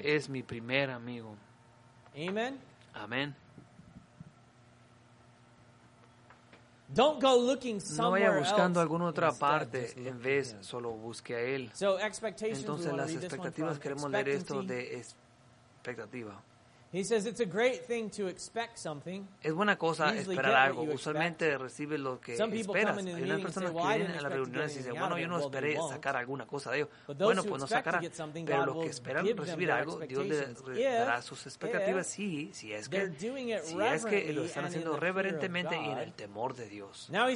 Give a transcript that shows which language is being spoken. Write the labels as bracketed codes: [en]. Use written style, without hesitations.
[es] Él es mi primer amigo. [en] Amen. [es] Amén. [en] Don't go looking somewhere [es] no vaya buscando [en] else [es] alguna otra parte, en vez solo busque a Él. [en] So, expectations, [es] entonces las expectativas, queremos leer esto de expectativa. [en] He says it's a great thing to expect something. [es] Es buena cosa esperar algo. Usualmente recibes lo que esperas. Hay unas personas que vienen a la reunión y dicen, bueno, yo no esperé sacar alguna cosa de ellos. Bueno, pues no sacará. Pero los que esperan recibir algo, Dios les dará sus expectativas. Sí, si es que lo están haciendo reverentemente y en el temor de Dios.